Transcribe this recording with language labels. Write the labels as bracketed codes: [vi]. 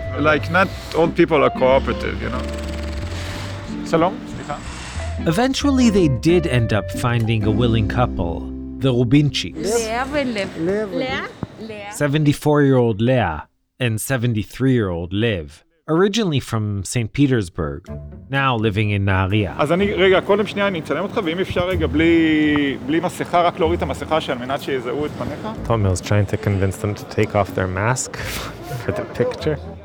[en] Like, not all people are cooperative, you know? Eventually, they did end up finding a willing couple, the Rubinchiks. 74-year-old Leah and 73-year-old Liv, originally from St. Petersburg, now living in Nahariya. [he] אז אני רגע, קודם שנייה אני אצלם אותך, ואם אפשר רגע בלי מסכה, רק להוריד את המסכה שעל מנת שיזהו את פניך. [en] Tomer's trying to convince them to take off their mask for the picture.